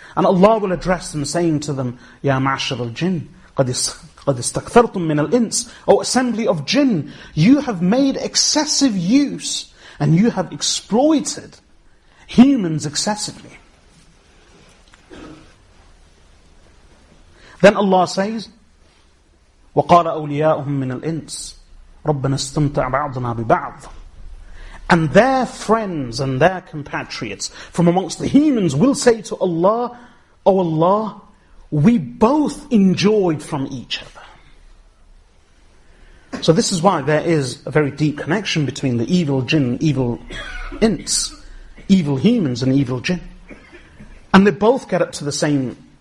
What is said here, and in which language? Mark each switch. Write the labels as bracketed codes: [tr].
[en] And Allah will address them saying to them, [ar] يَا مَعْشَرَ الْجِنِّ قَدْ اسْتَكْثَرْتُمْ. قَدْ اسْتَكْثَرْتُمْ مِنَ الْإِنْسِ. [en] O assembly of jinn, you have made excessive use and you have exploited humans excessively. Then Allah says, [ar] وَقَالَ أَوْلِيَاؤُهُمْ مِنَ الْإِنْسِ رَبَّنَا اسْتَمْتَعْ بَعْضُنَا بِبَعْضٍ. [en] And their friends and their compatriots from amongst the humans will say to Allah, O Allah, we both enjoyed from each other. So this is why there is a very deep connection between the evil jinn, evil ints, evil humans and evil jinn. And they both get up to the same